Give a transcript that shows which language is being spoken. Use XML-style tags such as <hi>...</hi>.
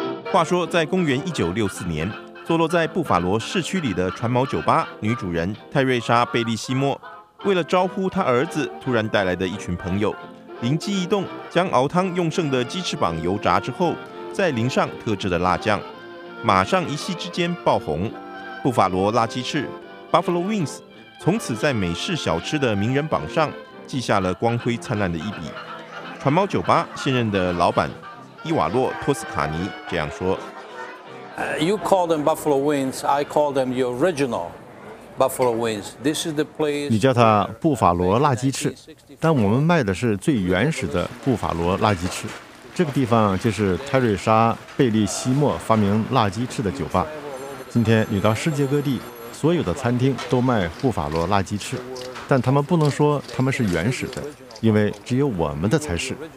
<zh>话说，在公元1964年，坐落在布法罗市区里的船锚酒吧女主人泰瑞莎·贝利西莫，为了招呼她儿子突然带来的一群朋友，灵机一动，将熬汤用剩的鸡翅膀油炸之后，再淋上特制的辣酱，马上一夕之间爆红。布法罗辣鸡翅 Buffalo Wings 从此在美式小吃的名人榜上记下了光辉灿烂的一笔。船锚酒吧现任的老板伊瓦洛·托斯卡尼这样说：</zh> <en>You call them Buffalo Wings, I call them the original Buffalo Wings. This is the place.</en> <zh>你叫它布法罗辣鸡翅，但我们卖的是最原始的布法罗辣鸡翅。这个地方就是泰瑞莎·贝利西莫发明辣鸡翅的酒吧。今天你到世界各地，所有的餐厅都卖布法罗辣鸡翅，但他们不能说他们是原始的，因为只有我们的才是。</zh>